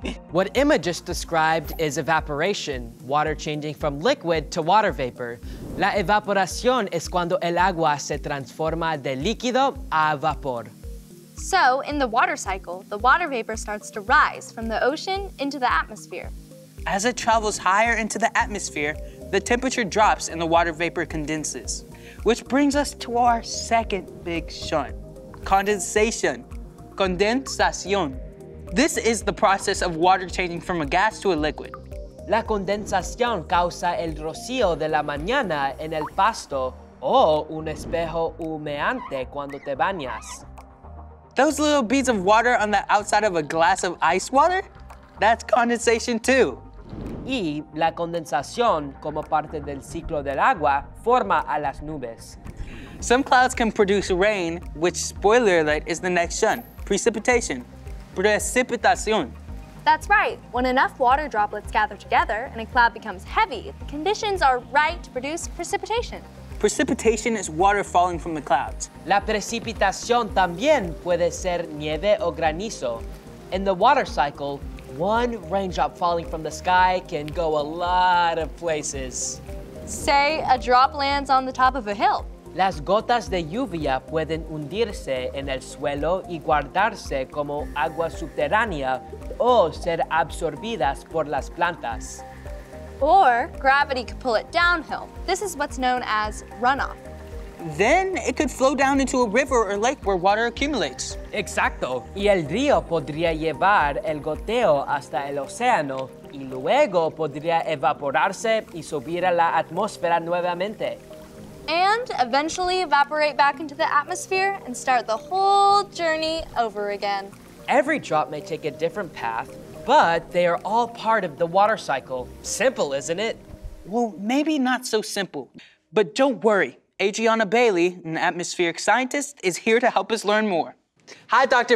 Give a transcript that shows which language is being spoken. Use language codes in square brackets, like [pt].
[en] What Emma just described is evaporation, water changing from liquid to water vapor. [es] La evaporación es cuando el agua se transforma de líquido a vapor. [en] So, in the water cycle, the water vapor starts to rise from the ocean into the atmosphere. As it travels higher into the atmosphere, the temperature drops and the water vapor condenses. Which brings us to our second big shun, condensation. Condensación. This is the process of water changing from a gas to a liquid. [es] La condensación causa el rocío de la mañana en el pasto o un espejo humeante cuando te bañas. [en] Those little beads of water on the outside of a glass of ice water? That's condensation too. [es] Y la condensación, como parte del ciclo del agua, forma a las nubes. [en] Some clouds can produce rain, which, spoiler alert, is the next shun, precipitation. [es] Precipitación. [en] That's right. When enough water droplets gather together and a cloud becomes heavy, the conditions are right to produce precipitation. Precipitation is water falling from the clouds. [es] La precipitación también puede ser nieve o granizo. [en] In the water cycle, one raindrop falling from the sky can go a lot of places. Say a drop lands on the top of a hill. [es] Las gotas de lluvia pueden hundirse en el suelo y guardarse como agua subterránea o ser absorbidas por las plantas. [en] Or gravity could pull it downhill. This is what's known as runoff. Then it could flow down into a river or lake where water accumulates. [es] Exacto. Y el río podría llevar el goteo hasta el océano y luego podría evaporarse y subir a la atmósfera nuevamente. [en] And eventually evaporate back into the atmosphere and start the whole journey over again. Every drop may take a different path, but they are all part of the water cycle. Simple, isn't it? Well, maybe not so simple. But don't worry, Adriana Bailey, an atmospheric scientist, is here to help us learn more. Hi, Dr.